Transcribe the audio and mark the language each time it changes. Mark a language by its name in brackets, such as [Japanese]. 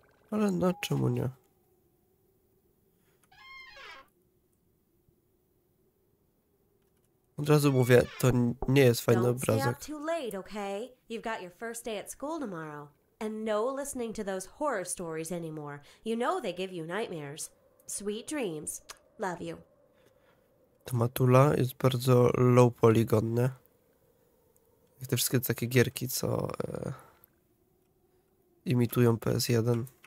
[Polish] Ale no, czemu nie? Od razu mówię, to nie jest fajny obrazek. [English] Don't stay up too late, okay? You've got your first day at school tomorrow. And no listening to those horror stories anymore. You know they give you nightmares. Sweet dreams. Love you. [Polish] Ta matula jest bardzo low poligonne. Jak te wszystkie takie gierki, co imitują PS1.